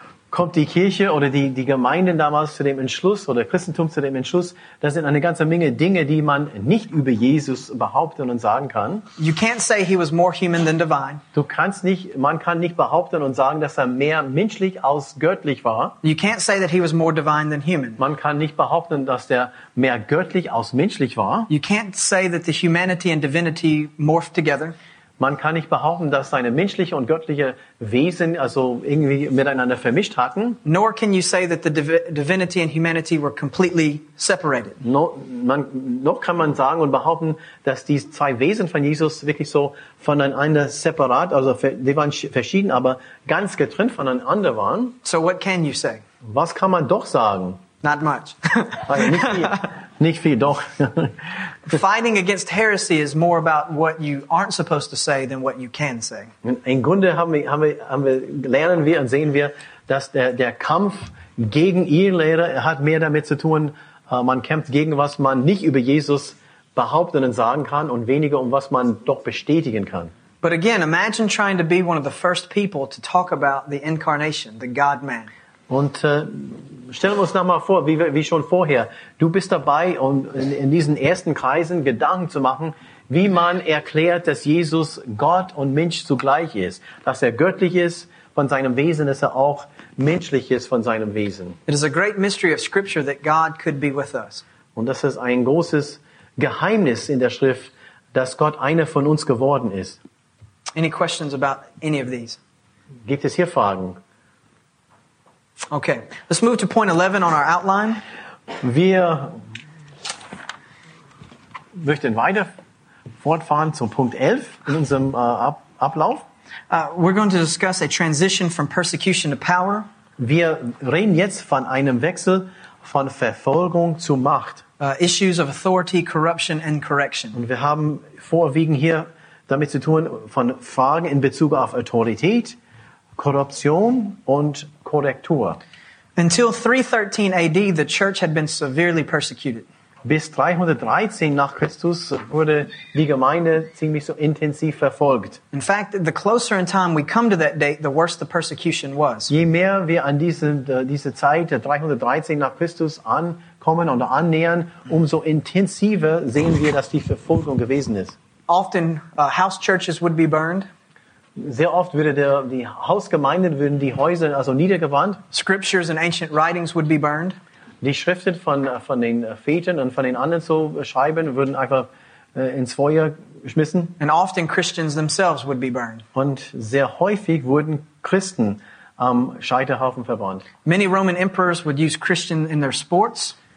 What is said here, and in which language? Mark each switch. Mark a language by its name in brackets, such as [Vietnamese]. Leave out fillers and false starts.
[German] Kommt die Kirche oder die Gemeinden damals zu dem Entschluss oder Christentum zu dem Entschluss, da sind eine ganze Menge Dinge, die man nicht über Jesus behaupten und sagen kann. [English] You can't say he was more human than divine. [German] Du kannst nicht, man kann nicht behaupten und sagen, dass er mehr menschlich als göttlich war. [English] You can't say that he was more divine than human. [German] Man kann nicht behaupten, dass er mehr göttlich als menschlich war. [English] You can't say that the humanity and divinity morphed together. [German] Man kann nicht behaupten, dass seine menschliche und göttliche Wesen also irgendwie miteinander vermischt hatten. [English] Nor can you say that the divinity and humanity were completely separated. [German] Noch kann man sagen und behaupten, dass die zwei Wesen von Jesus wirklich so voneinander separat, also die waren verschieden, aber ganz getrennt voneinander waren. [English] So what can you say? [German] Was kann man doch sagen? [English] Not much. [German] Also nicht viel. Nicht viel, doch. [English] Fighting against heresy is more about what you aren't supposed to say than what you can say. [German] Im Grunde lernen wir und sehen wir, dass der Kampf gegen Irrlehre hat mehr damit zu tun, man kämpft gegen was man nicht über Jesus behaupten und sagen kann und weniger um was man doch bestätigen kann. [English] But again, imagine trying to be one of the first people to talk about the incarnation, the God-Man. [German] Und stellen wir uns noch mal vor, wie schon vorher, du bist dabei, um in diesen ersten Kreisen Gedanken zu machen, wie man erklärt, dass Jesus Gott und Mensch zugleich ist, dass er göttlich ist von seinem Wesen, dass er auch menschlich ist von seinem Wesen. [English] It is a great mystery of Scripture that God could be with us. [German] Und das ist ein großes Geheimnis in der Schrift, dass Gott einer von uns geworden ist. [English] Any questions about any of these? [German] Gibt es hier Fragen? [English] Okay, let's move to point 11 on our outline. [German] Wir möchten weiter fortfahren zum Punkt 11 in unserem Ablauf. [English] We're going to discuss a transition from persecution to power. [German] Wir reden jetzt von einem Wechsel von Verfolgung zu Macht. [English] Issues of authority, corruption and correction. [German] Und wir haben vorwiegend hier damit zu tun von Fragen in Bezug auf Autorität, Korruption und Korrektur. [English] Until 313 AD, the church had been severely persecuted. [German] Bis 313 nach Christus wurde die Gemeinde ziemlich so intensiv verfolgt. [English] In fact, the closer in time we come to that date, the worse the persecution was. [German] Je mehr wir an diese Zeit, 313 nach Christus, ankommen oder annähern, umso intensiver sehen wir, dass die Verfolgung gewesen ist. [English] Often house churches would be burned. [German] Sehr oft die Hausgemeinden würden die Häuser also niedergebrannt. [English] Scriptures and ancient writings would be burned. [German] Die Schriften von den Vätern und von den anderen so schreiben würden einfach ins Feuer geschmissen. [English] And often Christians themselves would be burned. [German] Und sehr häufig wurden Christen am Scheiterhaufen verbrannt. [English] Many Roman emperors would use Christian in their sports.